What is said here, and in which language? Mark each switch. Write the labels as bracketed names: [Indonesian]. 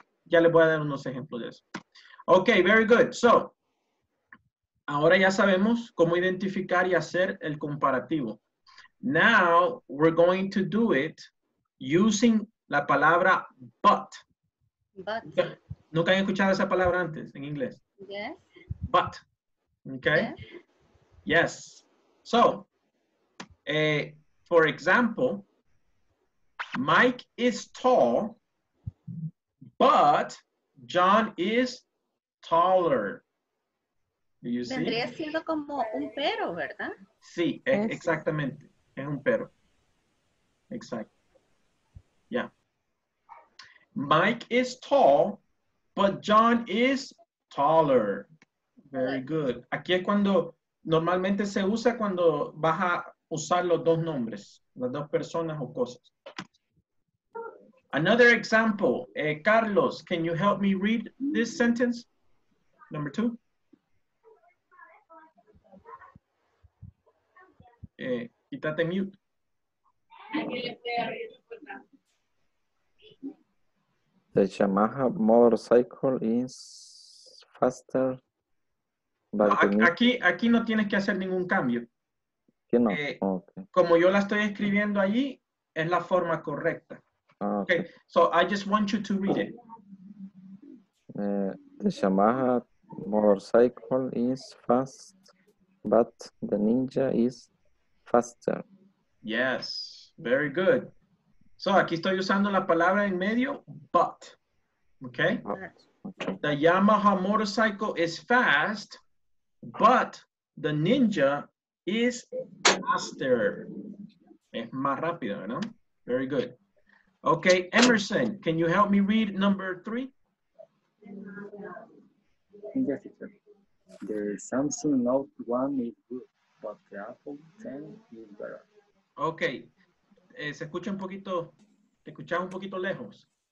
[Spanish] Ya les voy a dar unos ejemplos de eso. [English] Okay, very good. [Spanish] So, ahora ya sabemos cómo identificar y hacer el comparativo. [English] Now, we're going to do it using [Spanish] la palabra [English] but. But. [Spanish] ¿Nunca han escuchado esa palabra antes en inglés? [English] Yes. But. Okay. Yes. Yes. So, for example, Mike is tall, but John is taller. Do you see? [Spanish] Vendría siendo como un pero, ¿verdad? Sí, yes. Exactamente. Es un pero. Exacto. Yeah. [English] Mike is tall, but John is taller. Very good. [Spanish] Aquí es cuando normalmente se usa cuando vas a usar los dos nombres, las dos personas o cosas. [English] Another example. Carlos, can you help me read this sentence? Number two. [Spanish] Quítate mute. [English] The Yamaha motorcycle is faster. [Spanish] Aquí no tienes que hacer ningún cambio. ¿Qué no? Okay. Como yo la estoy escribiendo allí, es la forma correcta. [English] Okay. Okay. So I just want you to read it. The Yamaha motorcycle is fast, but the Ninja is faster. Yes, very good. So, aquí estoy usando la palabra en medio, but. Okay? The Yamaha motorcycle is fast, but the Ninja is faster. [Spanish] Es más rápido, ¿no? [English] Very good. Okay, Emerson, can you help me read number three? Yes, sir. The Samsung Note 1 is good, but the Apple 10 is better. Okay. [Spanish] Se escucha un poquito, te escuchas un poquito lejos.